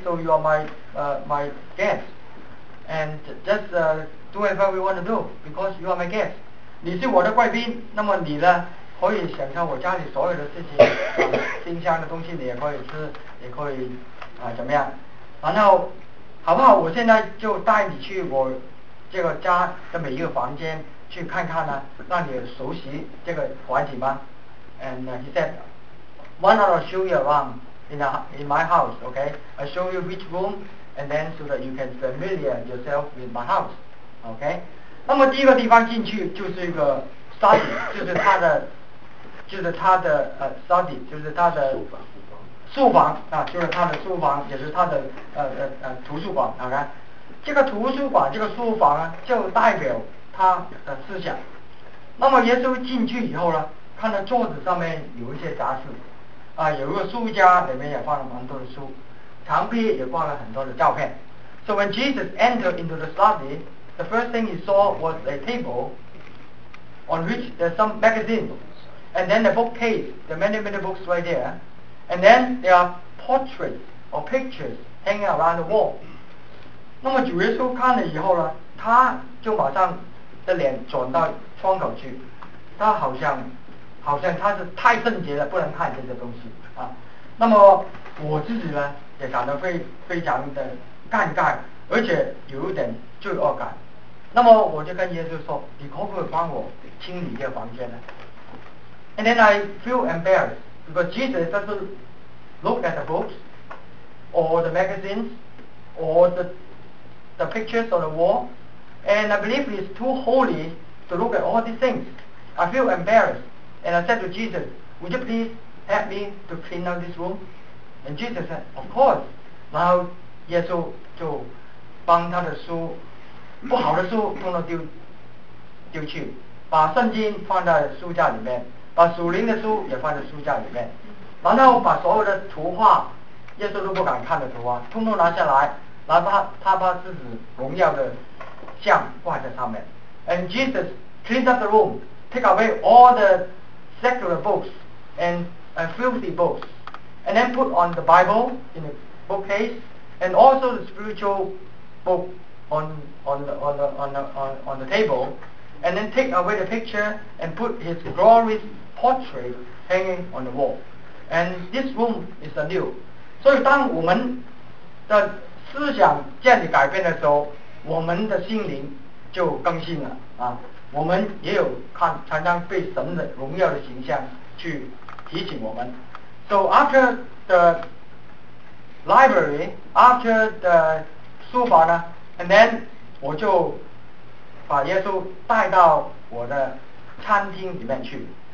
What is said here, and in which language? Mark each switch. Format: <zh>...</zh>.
<en>So you are my guest, and just do whatever you want to do because you are my guest.</en> <zh>你是我的贵宾，那么你呢，可以享受我家里所有的事情，冰箱的东西你也可以吃，也可以怎么样？然后好不好？我现在就带你去我这个家的每一个房间去看看呢，让你熟悉这个环境吧。</zh> <en>And he said, why not show you around in my house, okay? I'll show you which room, and then so that you can familiar yourself with my house, okay?</en> <zh>那么第一个地方进去就是一个 study, 就是他的 study, 就是他的书房啊，就是他的书房，也是他的图书馆。好看，这个图书馆这个书房啊，就代表他的思想。那么耶稣进去以后呢，看到桌子上面有一些杂志啊，有一个书架里面也放了蛮多的书，墙壁也挂了很多的照片。</zh> <en>So when Jesus entered into the study, the first thing he saw was a table on which there's some magazine, and then the bookcase, there are many books right there, and then there are portraits or pictures hanging around the wall.</en> <zh>那么主耶稣看了以后呢，他就马上的脸转到窗口去，他好像他是太圣洁了，不能看这些东西啊。那么我自己呢，也感到非常的尴尬，而且有一点罪恶感。那么我就跟耶稣说，你可不可以帮我清理这个房间呢？</zh> <en>And then I feel embarrassed, because Jesus doesn't look at the books or the magazines or the pictures on the wall, and I believe he's too holy to look at all these things. I feel embarrassedAnd I said to Jesus, would you please help me to clean out this room? And Jesus said, of course.</en> <zh>然后耶稣就帮他的书，不好的书通通丢去，把圣经放在书架里面，把属灵的书也放在书架里面，然后把所有的图画，耶稣都不敢看的图画，通通拿下来，然后他把自己荣耀的像挂在上面。</zh> <en>And Jesus cleaned up the room, take away all thesecular books and filthy books, and then put on the Bible in the bookcase, and also the spiritual book on the table, and then take away the picture and put his glorious portrait hanging on the wall. And this room is anew.</en> <zh>所以当我们的思想建立改变的时候，我们的心灵就更新了啊。我们也有常常被神的荣耀的形象去提醒我们。</zh> <en>So after the library, after the</en> <zh>书房呢，</zh> <en>and then</en> <zh>我就把耶稣带到我的餐厅里面去。</zh>